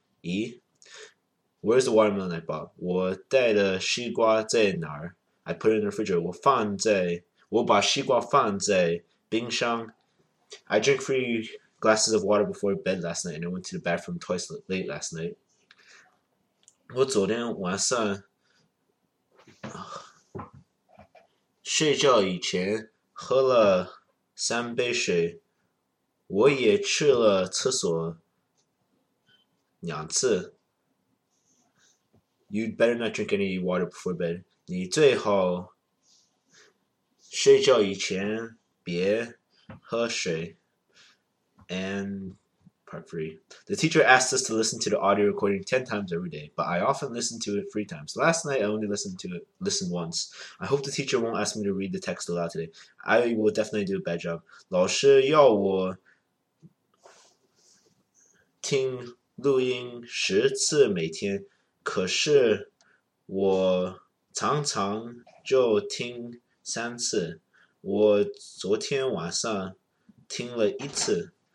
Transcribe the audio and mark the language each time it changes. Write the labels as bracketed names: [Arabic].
[English] 一，Where's the watermelon I bought? [Chinese] 我带的西瓜在哪儿？ [English] I put it in the fridge. [Chinese] 我把西瓜放在冰箱。 [English] I drank 3 glasses of water before bed last night, and I went to the bathroom twice late last night. [Chinese] 我昨天晚上睡觉以前喝了3杯水。我也去了厕所2次。 [English] You'd better not drink any water before bed. [Chinese] 你最好睡觉以前别喝水。 [English] And part three. The teacher asked us to listen to the audio recording 10 times every day, but I often listen to it 3 times. Last night, I only listened once. I hope the teacher won't ask me to read the text aloud today. I will definitely do a bad job. [Chinese] 老师要我听录音10次每天，可是我常常就听3次。我昨天晚上听了1次。